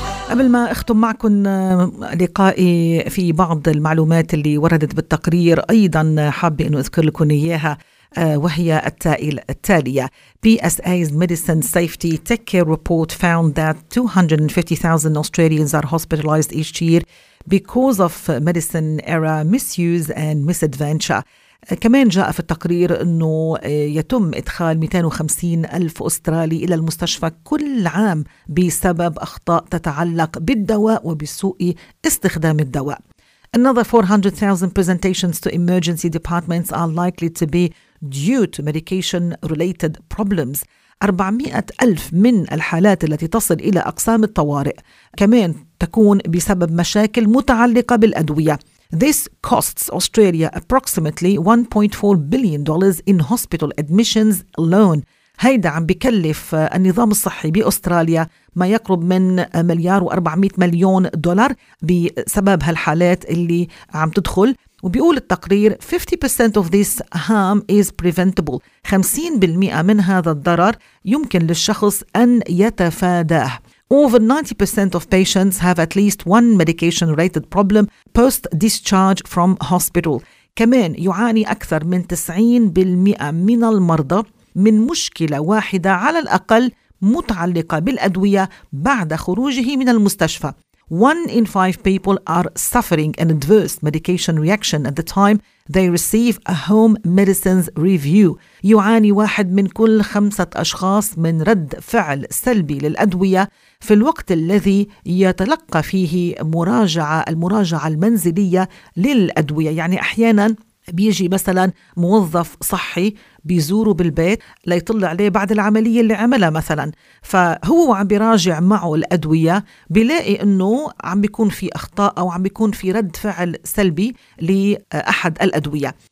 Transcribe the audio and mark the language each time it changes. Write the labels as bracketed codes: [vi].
[ar] قبل قبل ما أختم معكم لقائي في بعض المعلومات اللي وردت بالتقرير أيضا حابة أن أذكر لكم إياها وهي التالية. [en] PSA's Medicine Safety Tech Care Report found that 250,000 Australians are hospitalized each year because of medicine error misuse and misadventure. [ar] كمان جاء في التقرير أنه يتم إدخال 250 ألف أسترالي إلى المستشفى كل عام بسبب أخطاء تتعلق بالدواء وبسوء استخدام الدواء. [en] Another 400,000 presentations to emergency departments are likely to be due to medication-related problems. [ar] 400 ألف من الحالات التي تصل إلى أقسام الطوارئ كمان تكون بسبب مشاكل متعلقة بالأدوية. [en] This costs Australia approximately $1.4 billion in hospital admissions alone. [ar] هيدا عم بكلف النظام الصحي بأستراليا ما يقرب من مليار و400 مليون دولار بسبب هالحالات اللي عم تدخل. وبيقول التقرير [en] 50% of this harm is preventable. [ar] 50% من هذا الضرر يمكن للشخص أن يتفاداه. [en] Over 90% of patients have at least one medication-related problem post-discharge from hospital. [ar] كمان يعاني أكثر من 90% من المرضى من مشكلة واحدة على الأقل متعلقة بالأدوية بعد خروجه من المستشفى. [en] One in five people are suffering an adverse medication reaction at the time they receive a home medicines review. [ar] يعاني واحد من كل خمسة أشخاص من رد فعل سلبي للأدوية في الوقت الذي يتلقى فيه المراجعة المنزلية للأدوية. يعني أحياناً بيجي مثلاً موظف صحي بيزوره بالبيت ليطلع عليه بعد العملية اللي عملها مثلاً، فهو عم بيراجع معه الأدوية بيلاقي أنه عم بيكون في أخطاء أو عم بيكون في رد فعل سلبي لأحد الأدوية.